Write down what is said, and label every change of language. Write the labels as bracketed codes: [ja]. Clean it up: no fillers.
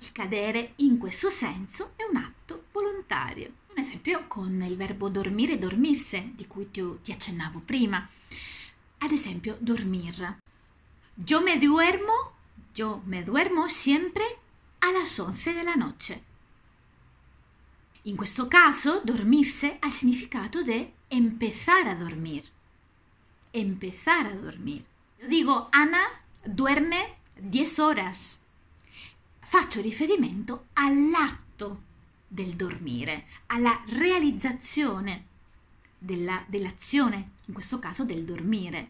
[it] Il cadere, in questo senso, è un atto volontario. Un esempio con il verbo dormire, dormirse, di cui ti accennavo prima. Ad esempio, dormir. [es] Yo me duermo siempre a las 11 de la noche. [it] In questo caso, dormirse ha il significato di [es] empezar a dormir. Empezar a dormir. Yo digo, Ana duerme 10 horas. [it] Faccio riferimento all'atto del dormire, alla realizzazione dell'azione, in questo caso del dormire.